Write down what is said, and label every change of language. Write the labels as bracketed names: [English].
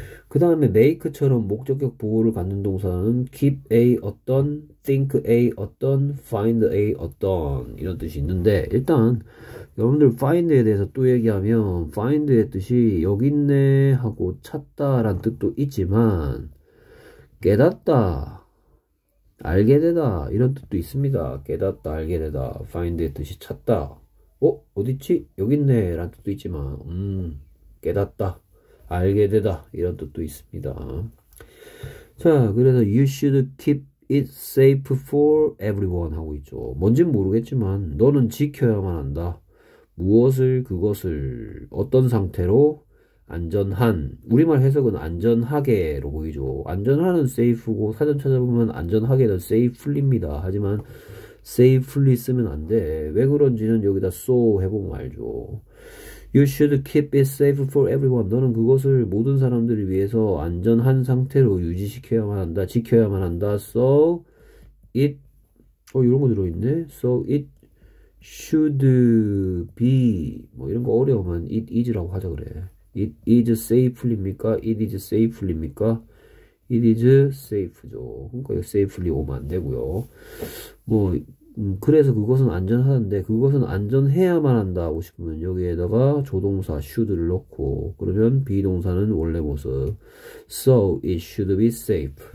[Korean] 그 다음에 make처럼 목적격 보호를 갖는 동사는 keep a 어떤, think a 어떤, find a 어떤 이런 뜻이 있는데 일단 여러분들 find에 대해서 또 얘기하면 find의 뜻이 여기 있네 하고 찾다란 뜻도 있지만 깨닫다 알게 되다 이런 뜻도 있습니다. 깨닫다, 알게 되다, find의 뜻이 찾다. 어딨지? 여기 있네 라는 뜻도 있지만, 깨닫다, 알게 되다 이런 뜻도 있습니다. 자, 그래서 [English] you should keep it safe for everyone [Korean] 하고 있죠. 뭔진 모르겠지만 너는 지켜야만 한다. 무엇을, 그것을, 어떤 상태로? 안전한. 우리말 해석은 안전하게로 보이죠. 안전한은 safe고 사전 찾아보면 안전하게는 safely입니다. 하지만 safely 쓰면 안 돼. 왜 그런지는 여기다 so 해보면 알죠. [English] You should keep it safe for everyone. [Korean] 너는 그것을 모든 사람들을 위해서 안전한 상태로 유지시켜야만 한다. 지켜야만 한다. [English] So it. [Korean] 이런 거 들어있네. [English] So it should be. [Korean] 뭐 이런 거 어려우면 [English] it is [Korean] 라고 하자 그래. [English] It is safely입니까? It is safely입니까? It is safe죠. [Korean] 그러니까 safely 오면 안 되고요. 뭐 그래서 그것은 안전하는데 그것은 안전해야만 한다 하고 싶으면 여기에다가 조동사 should를 넣고 그러면 비동사는 원래 모습. [English] So it should be safe.